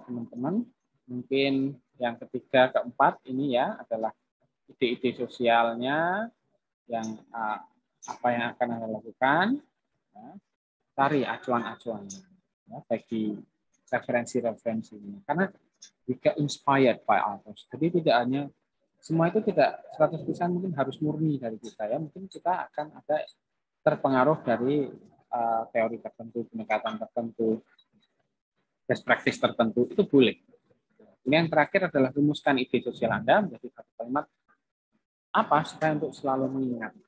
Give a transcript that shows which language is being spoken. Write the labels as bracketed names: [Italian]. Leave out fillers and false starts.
[Indonesian] Teman-teman, mungkin yang ketiga, keempat ini ya adalah ide-ide sosialnya yang apa yang akan Anda lakukan, ya, cari acuan-acuannya ya, bagi referensi-referensinya. Karena [English] we get inspired by others. [Indonesian] Jadi tidak hanya semua itu tidak 100% mungkin harus murni dari kita ya. Mungkin kita akan ada terpengaruh dari teori tertentu, pendekatan tertentu, best practice tertentu, itu boleh. Ini yang terakhir adalah rumuskan ide sosial Anda menjadi satu kalimat. Apa supaya untuk selalu mengingat.